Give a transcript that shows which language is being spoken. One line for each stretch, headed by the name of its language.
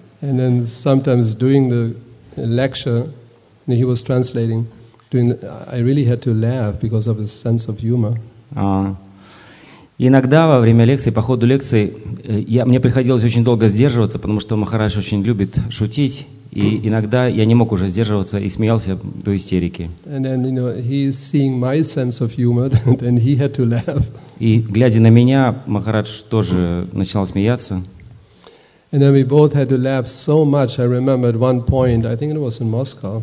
English: And then sometimes during the lecture, you know, he was translating, doing the, I really had to laugh because of his sense of humor.
Russian: Иногда во время лекции, по ходу лекции, мне приходилось очень долго сдерживаться, потому что Махарадж очень любит шутить, и иногда я не мог уже сдерживаться и смеялся до истерики.
English: And then, you know, he is seeing my sense of humor, then he had to laugh.
Russian: И глядя на меня, Махарадж тоже начинал смеяться.
English: And then we both had to laugh so much. I remember at one point, I think it was in Moscow.